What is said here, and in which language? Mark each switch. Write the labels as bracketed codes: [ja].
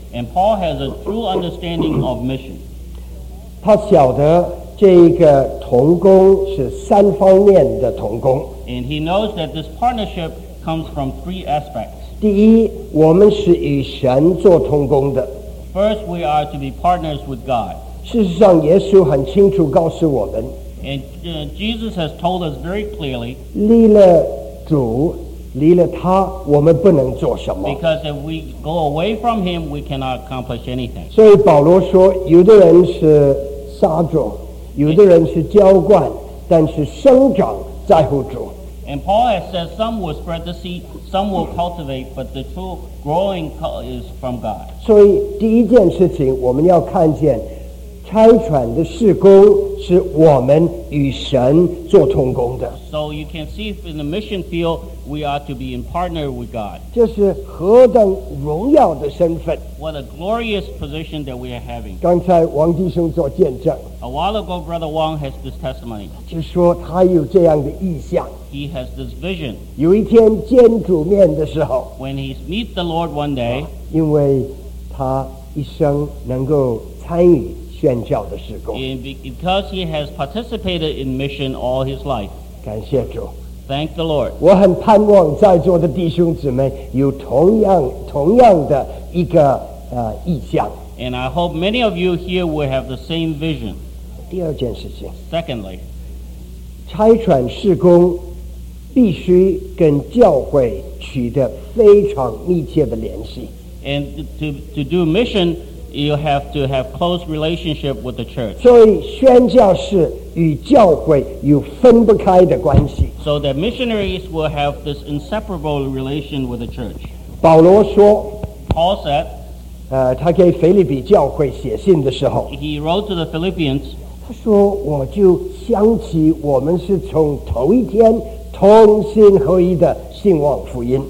[en] And Paul has a true understanding of missions. [zh] 他晓得这个同工是三方面的同工。 [en] And he knows that this partnership comes from three aspects. [zh] 第一，我们是与神做同工的。 [en] First, we are to be partners with God. [zh] 事实上，耶稣很清楚告诉我们。 [en] And Jesus has told us very clearly. [zh] 离了主，离了他，我们不能做什么。 [en] Because if we go away from him, we cannot accomplish anything. [zh] 所以保罗说，有的人是撒种，有的人是浇灌，但是生长在乎主。 [en] And Paul has said some will spread the seed, some will cultivate, but the true growing is from God. [zh] 所以第一件事情，我们要看见差遣的事工是我们与神做同工的。 [en] So you can see in the mission field, we are to be in partner with God. [zh] 这是何等荣耀的身份。 [en] What a glorious position that we are having. [zh] 刚才王弟兄做见证。 [en] A while ago, Brother Wong has this testimony. [zh] 就说他有这样的意象。 [en] He has this vision. [zh] 有一天见主面的时候。 [en] When he meets the Lord one day. [zh] 因为他一生能够参与宣教的事工。 [en] And because he has participated in mission all his life. [zh] 感谢主。 [en] Thank the Lord. [zh] 我很盼望在座的弟兄姊妹有同样的一个意象。 [en] And I hope many of you here will have the same vision. [zh] 第二件事情。 [en] Secondly, [zh] 差遣事工必须跟教会取得非常密切的联系。 [en] And to do mission,You have to have close relationship with the church. [zh] 所以宣教士与教会有分不开的关系。 [en] So the missionaries will have this inseparable relation with the church. [zh] 保罗说 [en] Paul said, [zh] 他给腓立比教会写信的时候 [en] He wrote to the Philippians, [zh] 他说我就想起我们是从头一天同心合一的信望福音。